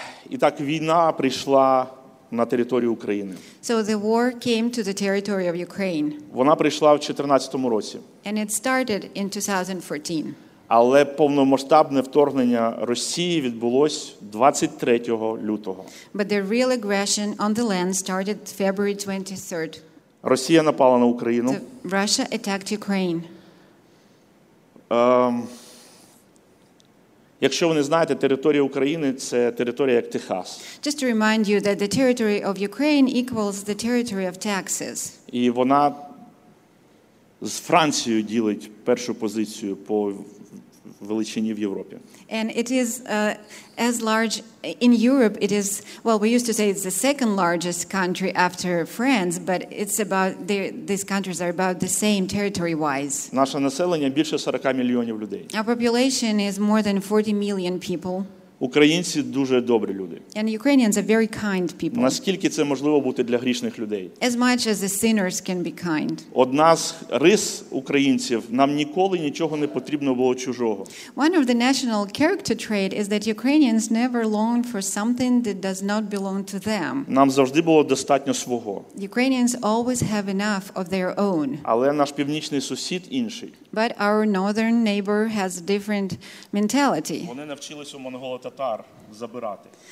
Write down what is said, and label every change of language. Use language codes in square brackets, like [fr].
[uk] І так, війна прийшла на територію України. [en] So the war came to the territory of Ukraine. [uk] Вона прийшла в 2014 році. [en] And it started in 2014. [uk] Але повномасштабне вторгнення Росії відбулось 23 лютого. [en] But the real aggression on the land started February 23rd. [uk] Росія напала на Україну. [en] Russia attacked Ukraine. [uk] Якщо ви не знаєте, територія України – це територія як Техас. [en] Just to remind you that the territory of Ukraine equals the territory of Texas. [uk] І вона з Францією ділить першу позицію по величині в Європі. [en] And it is as large in Europe, it is, well, we used to say it's the second largest country after France, but it's about, these countries are about the same territory-wise. [uk] Наше населення більше 40 мільйонів людей. [en] Our population is more than 40 million people. [uk] Українці дуже добрі люди. [en] And Ukrainians are very kind people. [uk] Наскільки це можливо бути для грішних людей? [en] As much as the sinners can be kind. [uk] Одна з рис українців – нам ніколи нічого не потрібно було чужого. [en] One of the national character traits is that Ukrainians never long for something that does not belong to them. [uk] Нам завжди було достатньо свого. [en] Ukrainians always have enough of their own. [uk] Але наш північний сусід інший. [en] But our northern neighbor has a different mentality. [uk] Вони навчились у монголо-татар забирати.